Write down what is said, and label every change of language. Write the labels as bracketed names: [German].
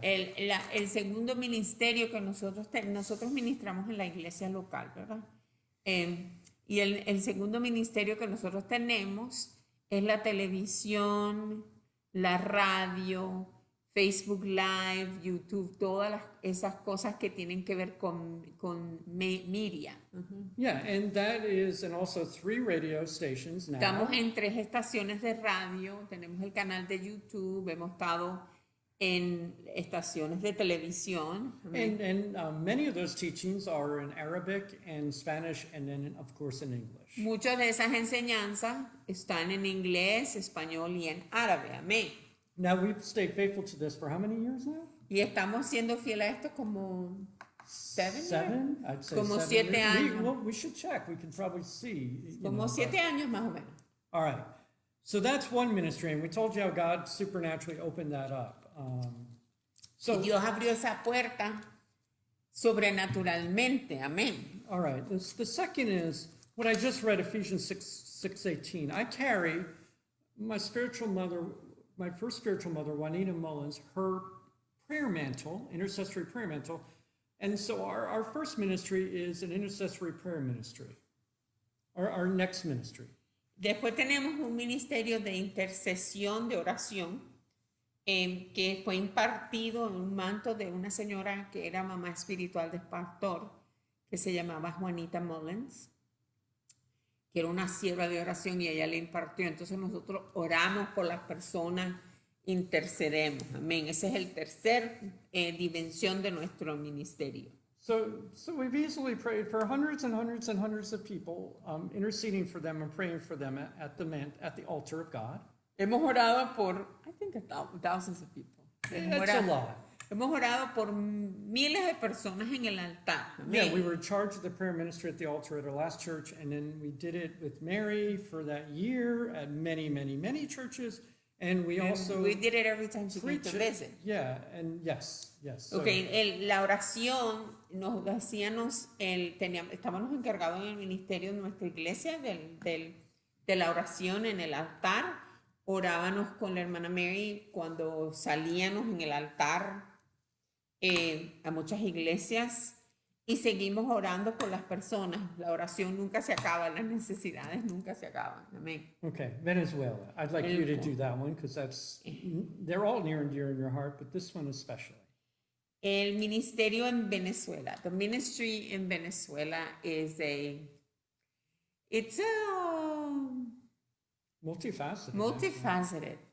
[Spanish] El segundo ministerio que nosotros ministramos en la iglesia local, ¿verdad? Y el segundo ministerio que nosotros tenemos es la televisión, la radio, Facebook Live, YouTube, todas esas cosas que tienen que ver con media. Uh-huh. [English] Yeah, and that is, and also three radio stations now. [Spanish] Estamos en tres estaciones de radio, tenemos el canal de YouTube, hemos estado en estaciones de televisión. [English] And many of those teachings are in Arabic and Spanish, and then of course in English. [Spanish] Muchas de esas enseñanzas están en inglés, español y en árabe. Amén. [English] Now we've stayed faithful to this for how many years now? [Spanish] Y estamos siendo fiel a esto como [English] seven? I'd say [Spanish] como [English] seven. [Spanish] Siete [English] years. [Spanish] Años. [English] We should check. We can probably see. [Spanish] Como [English] know, [Spanish] siete but. Años más o menos. [English] All right. So that's one ministry, and we told you how God supernaturally opened that up. So, [Spanish] y Dios abrió esa puerta sobrenaturalmente. Amén. [English] All right. The second is what I just read, Ephesians 6:18. I carry my spiritual mother, my first spiritual mother, Juanita Mullins, her prayer mantle, intercessory prayer mantle. And so our first ministry is an intercessory prayer ministry. Our next ministry. [Spanish] Después tenemos un ministerio de intercesión, de oración. Que fue impartido en un manto de una señora que era mamá espiritual del pastor, que se llamaba Juanita Mullins, que era una sierva de oración y ella le impartió. Entonces nosotros oramos por las personas, intercedemos. Amén. Ese es el tercer dimensión de nuestro ministerio. [English] So we've easily prayed for hundreds and hundreds and hundreds of people, interceding for them and praying for them at the altar of God. [Spanish] Hemos orado por, [English] I think, thousands of people. [Spanish] Hemos orado por miles de personas en el altar. [English] Yeah, we were in charge of the prayer ministry at the altar at our last church, and then we did it with Mary for that year at many, many, many churches, and we did it every time she came to visit. Yeah, and yes, yes. [Spanish] Okay, so, la oración nos hacíamos, estábamos encargados en el ministerio de nuestra iglesia de la oración en el altar. orábamos con la hermana Mary cuando salíamos en el altar a muchas iglesias y seguimos orando con las personas. La oración nunca se acaba, las necesidades nunca se acaban. Amén. [English] Okay, Venezuela. I'd like you to do that one because that's they're all near and dear in your heart, but this one especially. [Spanish] El ministerio en Venezuela. [English] The ministry in Venezuela is a it's a multifaceted.